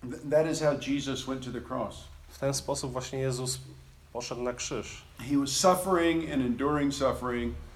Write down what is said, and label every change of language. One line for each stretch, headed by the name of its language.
English: That is how Jesus went to the cross.
Polish: W ten sposób właśnie Jezus poszedł na krzyż.
English: He was suffering and enduring suffering.